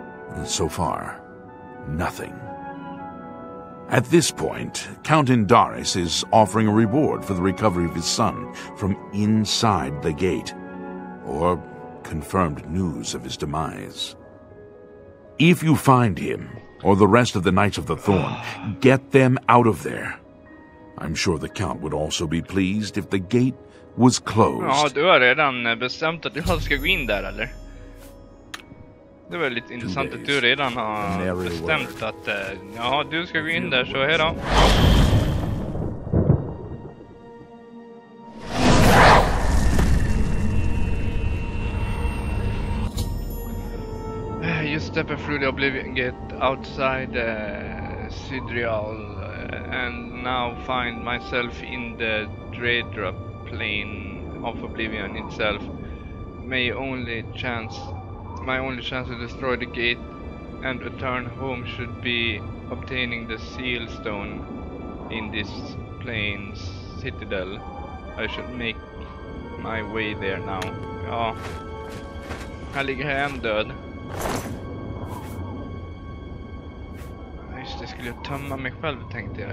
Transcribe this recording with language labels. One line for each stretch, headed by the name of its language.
English: And so far, nothing. At this point, Count Indoris is offering a reward for the recovery of his son from inside the gate, or confirmed news of his demise. If you find him, or the rest of the Knights of the Thorn, get them out of there. I'm sure the Count would also be pleased if the gate was closed.
Swedish: Ja, du har redan bestämt att jag ska gå in där, eller? Det var lite intressant att du redan har bestämt att ja, du ska gå in där, så hej då.
English: Step through the Oblivion Gate outside Sidreal and now find myself in the Draedrop plane of Oblivion itself. My only chance to destroy the gate and return home should be obtaining the seal stone in this plane's citadel. I should make my way there now.
Swedish: Oh, här ligger jag,
English: I'm dead.
Swedish: Just det, skulle jag tömma mig själv, tänkte jag.